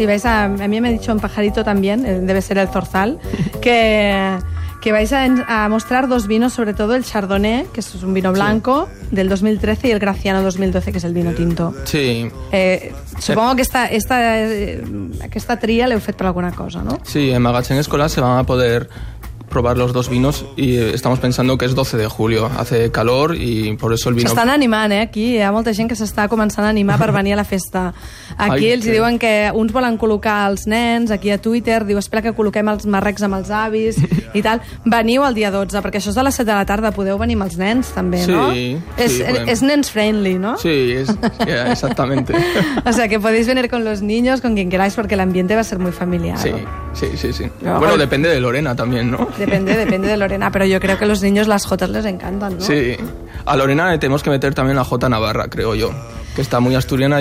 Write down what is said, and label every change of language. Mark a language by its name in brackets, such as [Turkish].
[Spanish] Y vais a mí me ha dicho un pajarito también, debe ser el Zorzal, que vais a mostrar dos vinos, sobre todo el Chardonnay, que es un vino blanco, sí, del 2013, y el Graciano 2012, que es el vino tinto. Sí. Supongo que esta [Catalan] tria l'heu fet per alguna cosa, ¿no? [Spanish] Sí, en Magatzem Escolà se van a poder probar los dos vinos y estamos pensando que es 12 de julio, hace calor y por eso el vino... [Catalan] S'estan animant, aquí hi ha molta gent que s'està començant a animar per venir a la festa. Aquí els diuen que uns volen col·locar els nens, aquí a Twitter, diu, espera que col·loquem els marrecs amb els avis i tal. Veniu el dia 12, perquè això és a les 7 de la tarda, podeu venir amb els nens també, sí, no? Sí, és nens friendly, no? [Spanish] Sí, exactamente. O sea, que podéis venir con los niños, con quien queráis, porque el ambiente va a ser muy familiar. Sí, sí, sí, sí. Bueno, depende de Lorena también, ¿no? Depende de Lorena, pero yo creo que a los niños las jotas les encantan, ¿no? Sí, a Lorena le tenemos que meter también la jota navarra, creo yo, que está muy asturiana.